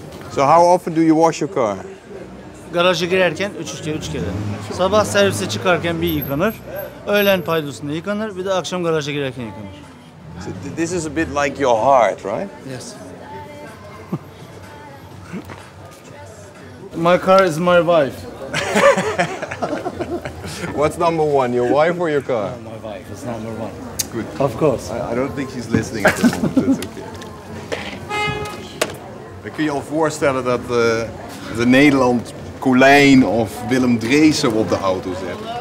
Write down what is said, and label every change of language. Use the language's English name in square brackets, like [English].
[English] So how often do you wash your car? [Turkish] Garaja girerken 3 kere. Sabah servise çıkarken bir yıkanır. Öğlen paydosunda yıkanır, bir de akşam garaja girerken yıkanır. [English] So this is a bit like your heart, right? Yes. My car is my wife. What's number one, your wife or your car? My wife is number one. Good. Of course. I don't think she's listening at the moment, that's okay. [Dutch] Dan kun je al voorstellen dat de Nederland Colijn of Willem Dreesen op de auto zet.